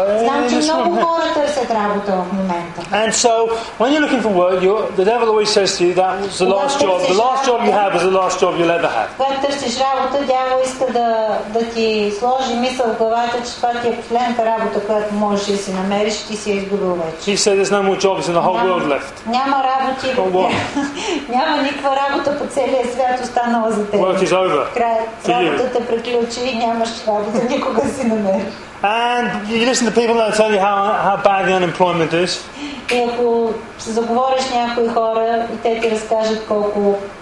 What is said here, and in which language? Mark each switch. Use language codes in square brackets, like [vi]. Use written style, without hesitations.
[bg] Знам, че много хора търсят работа в момента. [en] And so when you're looking for work, the devil always says to you that was the last job. The last job you have is the last job you'll ever have. [bg] Работа, дявол иска да ти сложи мисъл в главата, че това ти е последната работа, която можеш да си намериш, ти си я изгубил вече. [en] He said there's no more jobs in the whole world left. [bg] Няма работи. Няма никаква работа по целия свят останала за теб. [en] Work is over. [bg] Работата приключи и нямаш работа никога си намериш. [en] And you listen to people that tell you how bad the unemployment is. [bg] И ако се заговориш с някои хора и те ти разкажат колко